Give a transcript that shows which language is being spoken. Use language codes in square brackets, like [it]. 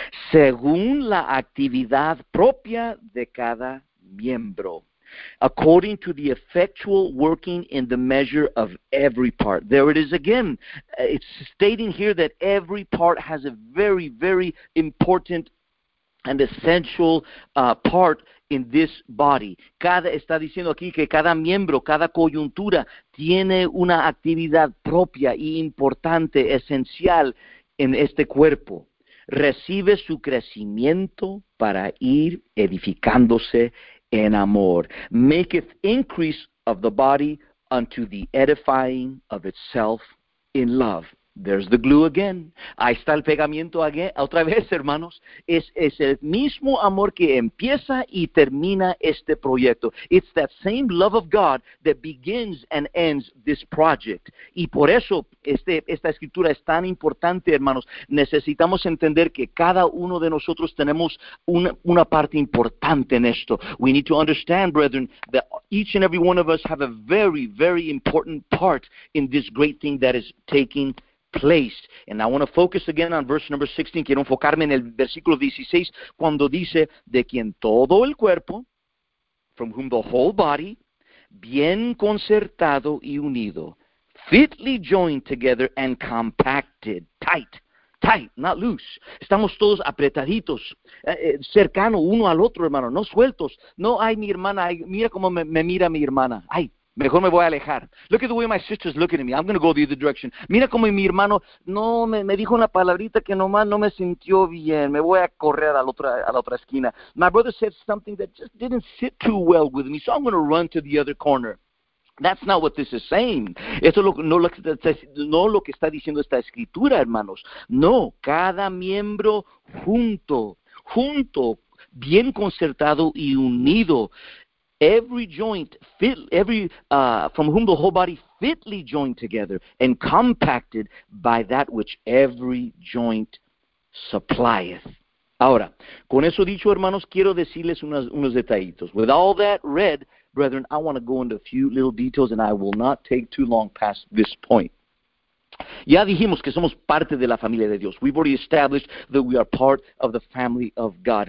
[es] Según la actividad propia de cada miembro. [en] According to the effectual working in the measure of every part. There it is again. It's stating here that every part has a very, very important and essential part in this body. [es] Cada está diciendo aquí que cada miembro, cada coyuntura, tiene una actividad propia y importante, esencial en este cuerpo. Recibe su crecimiento para ir edificándose en amor. [en] Maketh increase of the body unto the edifying of itself in love. There's the glue again. [es] Ahí está el pegamento again. Otra vez, hermanos. Es el mismo amor que empieza y termina este proyecto. [en] It's that same love of God that begins and ends this project. [es] Y por eso esta escritura es tan importante, hermanos. Necesitamos entender que cada uno de nosotros tenemos una parte importante en esto. [en] We need to understand, brethren, that each and every one of us have a very, very important part in this great thing that is taking place. And I want to focus again on verse number 16. [es] Quiero enfocarme en el versículo 16, cuando dice, de quien todo el cuerpo, [en] from whom the whole body, [es] bien concertado y unido, [en] fitly joined together and compacted, tight, not loose. [es] Estamos todos apretaditos, cercano uno al otro, hermano, no sueltos. No, ay, mi hermana, ay, mira cómo me mira mi hermana, ay. Mejor me voy a alejar. [en] Look at the way my sister's looking at me. I'm going to go the other direction. [es] Mira como mi hermano, no, me dijo una palabrita que nomás no me sintió bien. Me voy a correr a la otra esquina. [en] My brother said something that just didn't sit too well with me, so I'm going to run to the other corner. That's not what this is saying. [es] Esto no lo que está diciendo esta escritura, hermanos. No, cada miembro junto, bien concertado y unido. [en] Every joint, from whom the whole body fitly joined together and compacted by that which every joint supplieth. [es] Ahora, con eso dicho, hermanos, quiero decirles unos detallitos. [en] With all that read, brethren, I want to go into a few little details and I will not take too long past this point. [es] Ya dijimos que somos parte de la familia de Dios. [en] We've already established that we are part of the family of God.